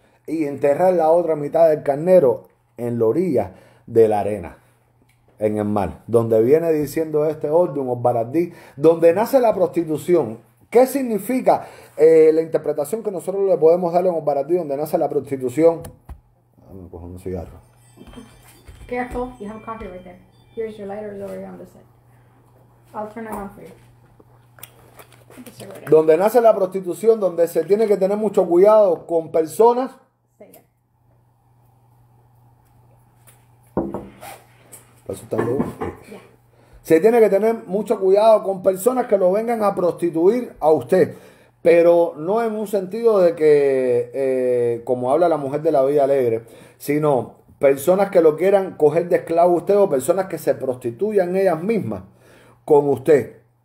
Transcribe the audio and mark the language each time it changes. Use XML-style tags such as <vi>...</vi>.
<es>Y enterrar la otra mitad del carnero en la orilla de la arena. En el mar. Donde viene diciendo este orden, Osbaradí. Donde nace la prostitución. ¿Qué significa la interpretación que nosotros le podemos dar en Osbaradí? Donde nace la prostitución. Vamos a coger un cigarro.</es> <en>Careful, you have coffee right there. Here's your lighter, it's already on the set. I'll turn it on for you.</en> <es>Right, donde nace la prostitución, donde se tiene que tener mucho cuidado con personas.</es> <en>Say it.</en> <es>Resultando, se tiene que tener mucho cuidado con personas que lo vengan a prostituir a usted, pero no en un sentido de que, como habla la mujer de la vida alegre, sino personas que lo quieran coger de esclavo a usted o personas que se prostituyan ellas mismas con usted.</es>